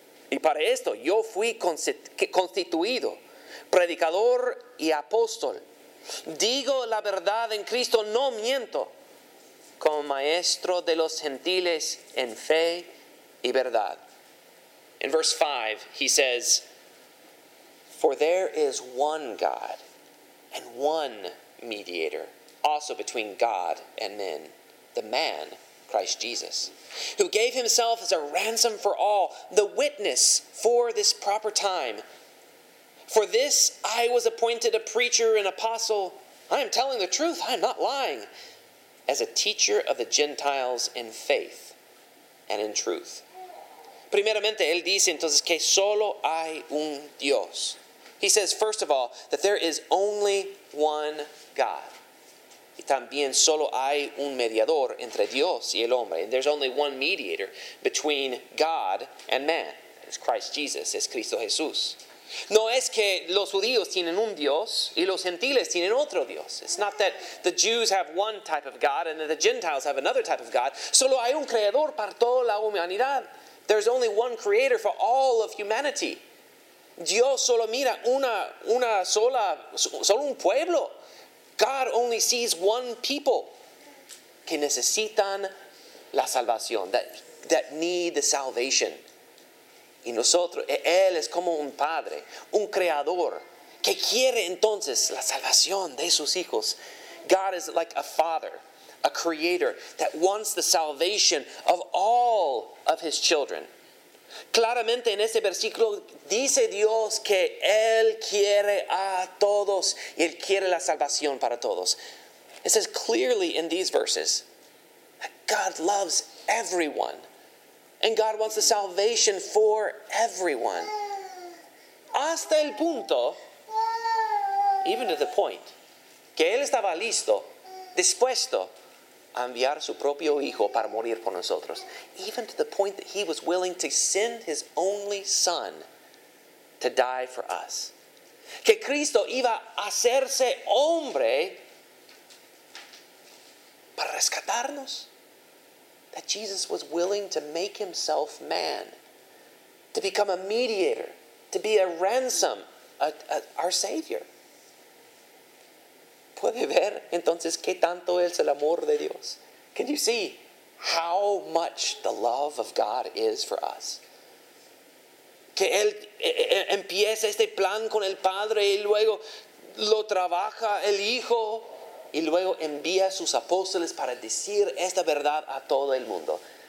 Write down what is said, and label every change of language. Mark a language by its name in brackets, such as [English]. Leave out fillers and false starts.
[Spanish] Y para esto yo fui constituido predicador y apóstol. Digo la verdad en Cristo, no miento, como maestro de los gentiles en fe y verdad. [English] In verse 5, he says, for there is one God and one mediator also between God and men, the man Christ Jesus, who gave himself as a ransom for all, the witness for this proper time. For this I was appointed a preacher and apostle. I am telling the truth, I am not lying, as a teacher of the Gentiles in faith and in truth. [Spanish] Primeramente, él dice entonces que solo hay un Dios. [English] He says, first of all, that there is only one God. [Spanish] Y también solo hay un mediador entre Dios y el hombre. [English] And there's only one mediator between God and man. It's Christ Jesus, [Spanish] es Cristo Jesús. No es que los judíos tienen un Dios y los gentiles tienen otro Dios. [English] It's not that the Jews have one type of God and that the Gentiles have another type of God. [Spanish] Solo hay un creador para toda la humanidad. [English] There's only one creator for all of humanity. [Spanish] Dios solo mira solo un pueblo. [English] God only sees one people [Spanish] que necesitan la salvación, [English] that need the salvation. [Spanish] Y nosotros, Él es como un padre, un creador, que quiere entonces la salvación de sus hijos. [English] God is like a father, a creator, that wants the salvation of all of his children. [Spanish] Claramente en este versículo dice Dios que Él quiere a todos y Él quiere la salvación para todos. [English] It says clearly in these verses, God loves everyone. And God wants the salvation for everyone. [Spanish] Hasta el punto, [English] even to the point, [Spanish] que Él estaba listo, dispuesto a enviar su propio Hijo para morir por nosotros. [English] Even to the point that He was willing to send His only Son to die for us. [Spanish] Que Cristo iba a hacerse hombre para rescatarnos. [English] That Jesus was willing to make Himself man, to become a mediator, to be a ransom, our Savior. [Spanish] ¿Puede ver entonces qué tanto es el amor de Dios? [English] Can you see how much the love of God is for us? [Spanish] Que Él empieza este plan con el Padre y luego lo trabaja el Hijo. Y luego envía a sus apóstoles para decir esta verdad a todo el mundo.